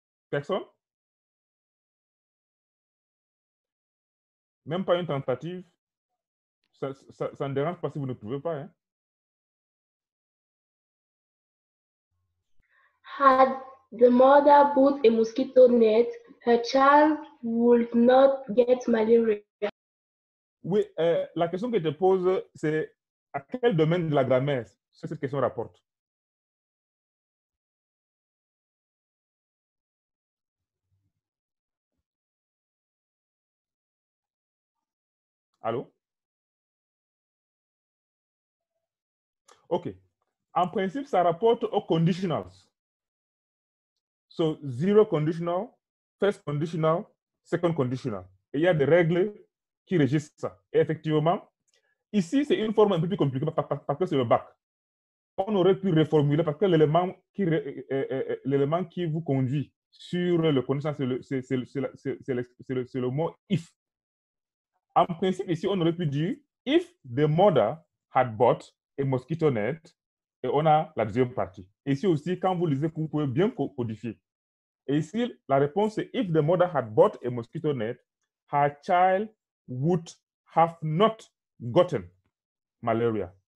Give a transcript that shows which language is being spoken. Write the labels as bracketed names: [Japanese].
[French] Personne? Même pas une tentative? Ça ne dérange pas si vous ne pouvez pas. Hein? [English] Had the mother put a mosquito net, her child would not get malaria. [French] Oui, la question que je pose, c'est à quel domaine de la grammaire cette question rapporte? Allô? OK. En principe, ça rapporte aux conditionals. [English] So, zero conditional, first conditional, second conditional. [French] Et il y a des règles qui régissent ça. Et effectivement, ici, c'est une forme un peu plus compliquée parce que c'est le bac. On aurait pu reformuler parce que l'élément qui vous conduit sur le conditionnel, c'est le mot if. En principe, ici, on aurait pu dire [English] if the mother had bought a mosquito net, [French] et on a la deuxième partie. Et ici aussi, quand vous lisez, vous pouvez bien codifier. Et ici, la réponse est [English] if the mother had bought a mosquito net, her child would have not gotten malaria.